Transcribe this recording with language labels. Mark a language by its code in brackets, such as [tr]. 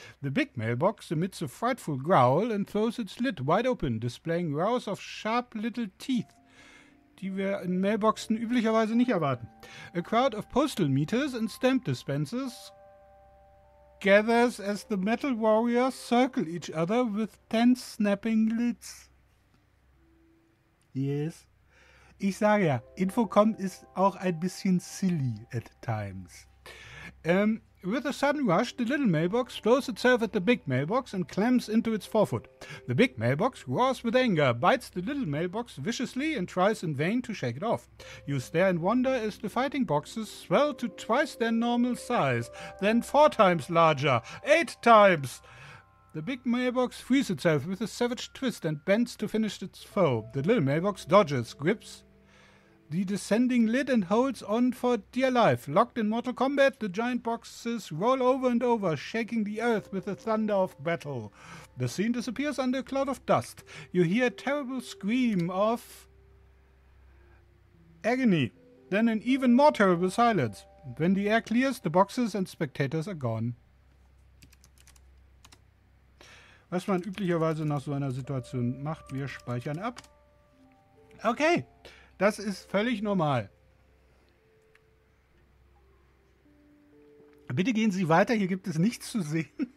[en] The big mailbox emits a frightful growl and throws its lid wide open, displaying rows of sharp little teeth, [de] die wir in Mailboxen üblicherweise nicht erwarten. [en] A crowd of postal meters and stamp dispensers gathers as the metal warriors circle each other with tense snapping lids. Yes. [de] Ich sage ja, Infocom ist auch ein bisschen [en] silly at times. With a sudden rush, the little mailbox throws itself at the big mailbox and clams into its forefoot. The big mailbox roars with anger, bites the little mailbox viciously and tries in vain to shake it off. You stare in wonder as the fighting boxes swell to twice their normal size, then four times larger, eight times. The big mailbox frees itself with a savage twist and bends to finish its foe. The little mailbox dodges, grips the descending lid and holds on for dear life. Locked in mortal combat, the giant boxes roll over and over, shaking the earth with the thunder of battle. The scene disappears under a cloud of dust. You hear a terrible scream of agony, then an even more terrible silence. When the air clears, the boxes and spectators are gone. [de] Was man üblicherweise nach so einer Situation macht, wir speichern ab. Okay, das ist völlig normal. Bitte gehen Sie weiter, hier gibt es nichts zu sehen.